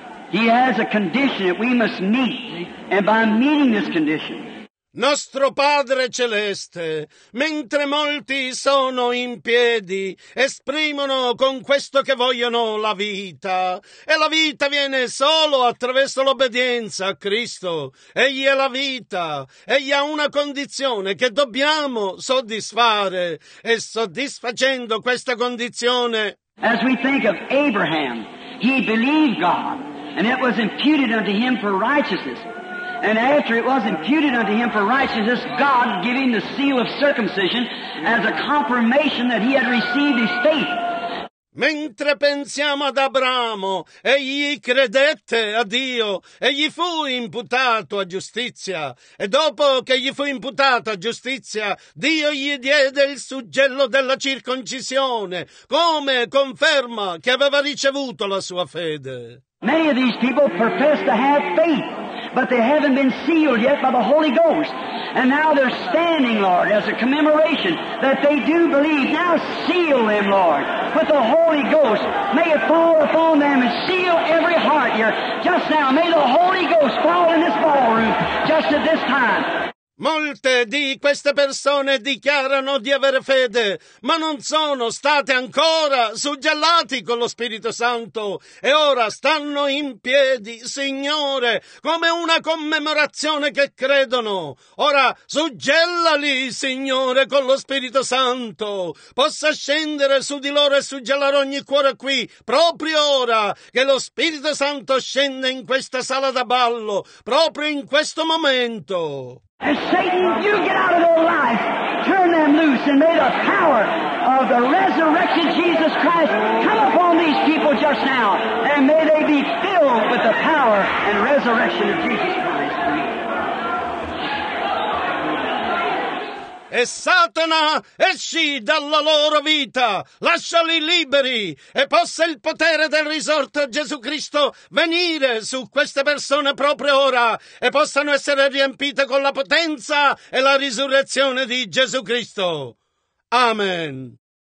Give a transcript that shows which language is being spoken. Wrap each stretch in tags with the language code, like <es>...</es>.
<en>He has a condition that we must meet. And by meeting this condition,</en> <it>Nostro Padre Celeste, mentre molti sono in piedi, esprimono con questo che vogliono la vita, e la vita viene solo attraverso l'obbedienza a Cristo. Egli è la vita, egli ha una condizione che dobbiamo soddisfare, e soddisfacendo questa condizione,</it> <en>as we think of Abraham, he believed God, and it was imputed unto him for righteousness. And after it was imputed unto him for righteousness, God gave him the seal of circumcision as a confirmation that he had received his faith.</en> <it>Mentre pensiamo ad Abramo, egli credette a Dio e gli fu imputato a giustizia. E dopo che gli fu imputata giustizia, Dio gli diede il suggello della circoncisione come conferma che aveva ricevuto la sua fede.</it> <en>Many of these people profess to have faith, but they haven't been sealed yet by the Holy Ghost. And now they're standing, Lord, as a commemoration that they do believe. Now seal them, Lord, with the Holy Ghost. May it fall upon them and seal every heart here just now. May the Holy Ghost fall in this ballroom just at this time.</en> <it>Molte di queste persone dichiarano di avere fede, ma non sono state ancora suggellati con lo Spirito Santo e ora stanno in piedi, Signore, come una commemorazione che credono. Ora suggellali, Signore, con lo Spirito Santo. Possa scendere su di loro e suggellare ogni cuore qui, proprio ora che lo Spirito Santo scende in questa sala da ballo, proprio in questo momento.</it> <en>And Satan, you get out of their life. Turn them loose and may the power of the resurrected Jesus Christ come upon these people just now. And may they be filled with the power and resurrection of Jesus Christ.</en> <it>E Satana, esci dalla loro vita, lasciali liberi e possa il potere del risorto Gesù Cristo venire su queste persone proprio ora e possano essere riempite con la potenza e la risurrezione di Gesù Cristo. Amen.</it>